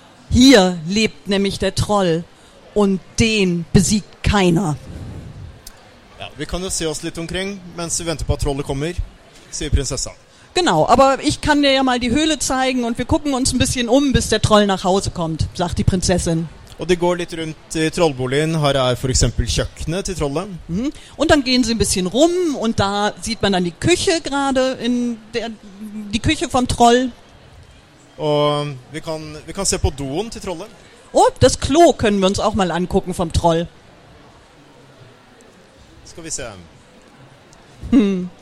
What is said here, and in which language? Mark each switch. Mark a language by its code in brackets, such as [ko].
[de] Hier lebt nämlich der Troll und den besiegt keiner. [no] Ja, vi kan jo se oss litt omkring mens vi venter på at trollet kommer, sier prinsessa. [de] Genau, aber ich kann dir ja mal die Höhle zeigen und wir gucken uns ein bisschen bis der Troll nach Hause kommt, sagt die Prinzessin. [no] Und det går litt rundt I trollboligen, her for eksempel kjøkkenet til trollet. Mm-hmm. [de] Und dann gehen sie ein bisschen rum und da sieht man dann die Küche gerade in der die Küche vom Troll. [no] Og vi kan se på doen til trollet. [de] Oh, das Klo können wir uns auch mal angucken vom Troll. [no] Skal vi se.